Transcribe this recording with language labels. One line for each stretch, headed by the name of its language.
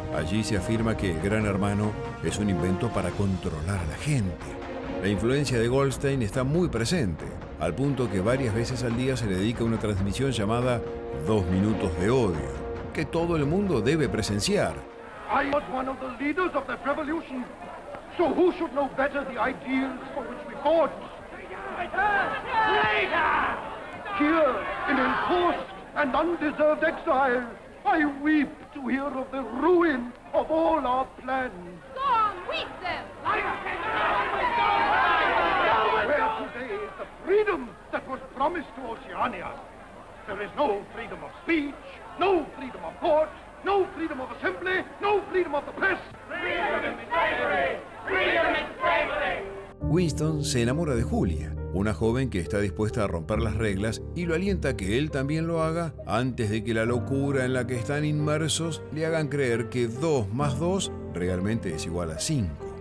Spanish: Allí se afirma que el Gran Hermano es un invento para controlar a la gente. La influencia de Goldstein está muy presente, al punto que varias veces al día se le dedica una transmisión llamada Dos Minutos de Odio, que todo el mundo debe presenciar.
English: I was one of the leaders of that revolution, so who should know better the ideals for which we fought? Here, in enforced and undeserved exile, I weep to hear of the ruin of all our plans. Go on, weep them! Where today is the freedom that was promised to Oceania? There is no freedom of speech, no freedom of thought, no freedom of assembly, no freedom of the press. Freedom is slavery! Freedom is slavery!
Spanish: Winston se enamora de Julia, una joven que está dispuesta a romper las reglas y lo alienta a que él también lo haga antes de que la locura en la que están inmersos le hagan creer que 2 más 2 realmente es igual a 5.